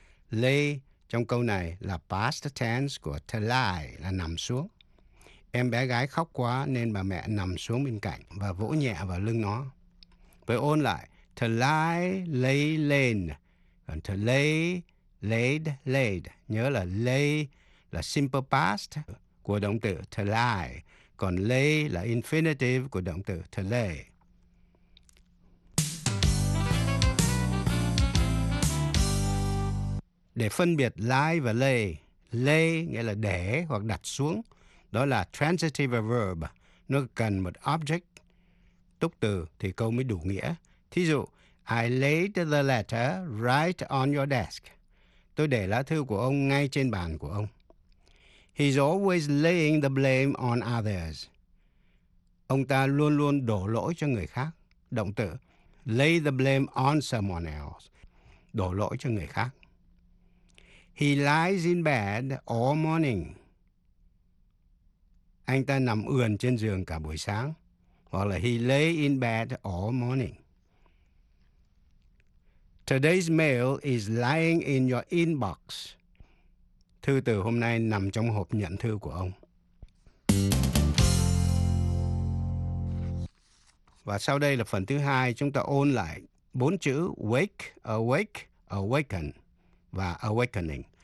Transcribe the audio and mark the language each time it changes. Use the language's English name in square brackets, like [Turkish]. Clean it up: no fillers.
[Vietnamese] Lay trong câu này là past tense của to lie, là nằm xuống. Em bé gái khóc quá nên bà mẹ nằm xuống bên cạnh và vỗ nhẹ vào lưng nó. Với ôn lại, to lie, lay, lain. Còn to lay, laid, laid. Nhớ là lay là simple past của động từ to lie. Còn lay là infinitive của động từ to lay. Để phân biệt lie và lay, lay nghĩa là để hoặc đặt xuống. Đó là transitive verb. Nó cần một object. Túc từ thì câu mới đủ nghĩa. Thí dụ, [English] I laid the letter right on your desk. [Vietnamese] Tôi để lá thư của ông ngay trên bàn của ông. [English] He's always laying the blame on others. [Vietnamese] Ông ta luôn luôn đổ lỗi cho người khác. Động từ [English] lay the blame on someone else. [Vietnamese] Đổ lỗi cho người khác. [English] He lies in bed all morning. [Vietnamese] Anh ta nằm ườn trên giường cả buổi sáng. Hoặc là [English] he lay in bed all morning. Today's mail is lying in your inbox. [Vietnamese] Thư từ hôm nay nằm trong hộp nhận thư của ông. Và sau đây là phần thứ hai, chúng ta ôn lại 4 chữ wake, awake, awaken và awakening.